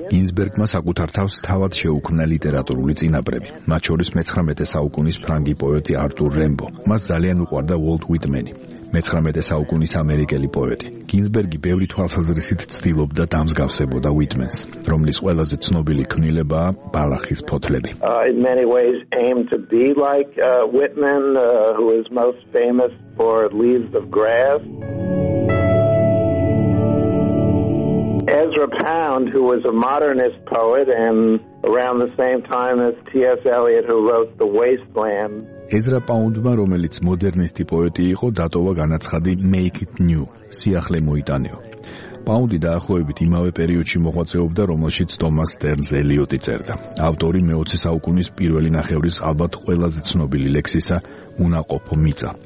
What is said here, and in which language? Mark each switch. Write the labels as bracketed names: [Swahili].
[Georgian] გინსბერგმა საკუთარ თავს თავად შეუქმნა ლიტერატურული წინაპრები, მათ შორის მე-19 საუკუნის ფრანგი პოეტი არტურ რემბო. მას ძალიან უყვარდა უოლტ უიტმენი, მე-19 საუკუნის ამერიკელი პოეტი. გინსბერგი ბევრი თვალსაზრისით ცდილობდა დამსგავსებოდა უიტმენს, რომლის ყველაზე ცნობილი ქმნილებაა ბალახის ფოთლები. [English] In many ways aimed to be like Whitman, who is most famous for Leaves of Grass. Ezra Pound, who was a modernist poet and around the same time as T.S. Eliot, who wrote The Wasteland. [Georgian] Ezra Pound-მა, რომელიც მოდერნისტი პოეტი იყო, დატოვა განაცხადი [English] Make it new, [Georgian] სიახლე მოიტანეო. პაუნდი დაახლოებით იმავე პერიოდში მოღვაწეობდა, რომელშიც თომას სტერნს ელიოტი წერდა. ავტორი მე-20 საუკუნის პირველი ნახევრის ალბათ ყველაზე ცნობილი ლექსისა უნაყოფო მიწა.